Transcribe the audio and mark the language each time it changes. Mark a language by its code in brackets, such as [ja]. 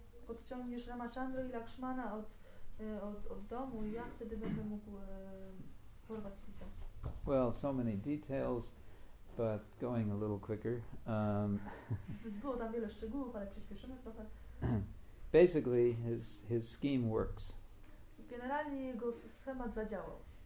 [pl] Odciągniesz Ramachandra i Lakshmana od domu i ja wtedy będę mógł porwać Sita. [en] Well, so many details, but going a little quicker. [pl] Było tam wiele szczegółów, ale przyspieszymy trochę. [en] Basically, his scheme works. [pl] Generalnie jego schemat zadziałał.